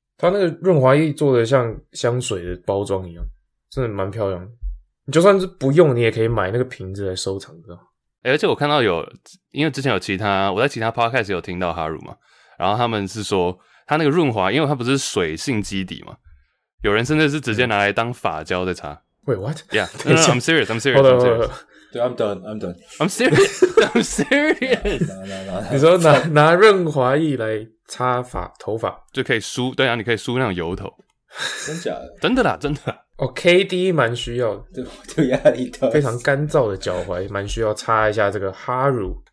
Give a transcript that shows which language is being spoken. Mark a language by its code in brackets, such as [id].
[zh] 它那个润滑液做的像香水的包装一样，真的蛮漂亮的。你就算是不用，你也可以买那个瓶子来收藏的、欸。而且我看到有，因为之前有其他，我在其他 podcast 有听到哈乳嘛，然后他们是说它那个润滑，因为它不是水性基底嘛，有人甚至是直接拿来当发胶在擦。 [en] Wait what? Yeah, no, no, I'm serious, I'm serious, I'm serious. 对 ，I'm done, I'm done, I'm serious, I'm serious. [zh] 你说拿润滑液来擦发头发就可以梳，对啊，你可以梳那种油头，真假的？真的啦，真的啦。哦、oh, ，KD 蛮需要的，对，压力大，非常干燥的脚踝蛮需要擦一下这个哈乳，